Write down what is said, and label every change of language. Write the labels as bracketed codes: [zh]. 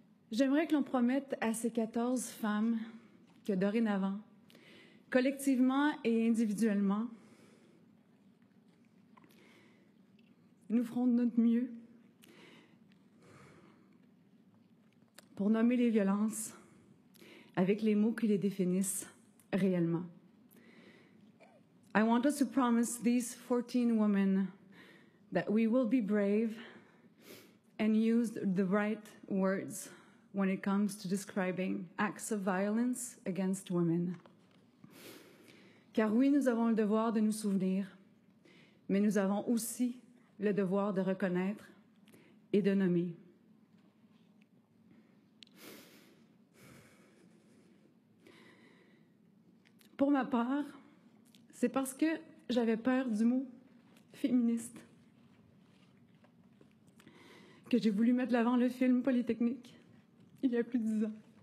[fr] J'aimerais que l'on promette à ces 14 femmes que dorénavant, collectivement et individuellement, nous ferons de notre mieux pour nommer les violences avec les mots qui les définissent réellement. [en] I want us to promise these 14 women that we will be brave and use the right words when it comes to describing acts of violence against women. [fr] Car oui, nous avons le devoir de nous souvenir, mais nous avons aussi le devoir de reconnaître et de nommer. Pour ma part, c'est parce que j'avais peur du mot féministe que j'ai voulu mettre l'avant le film Polytechnique il y a plus de 10 ans.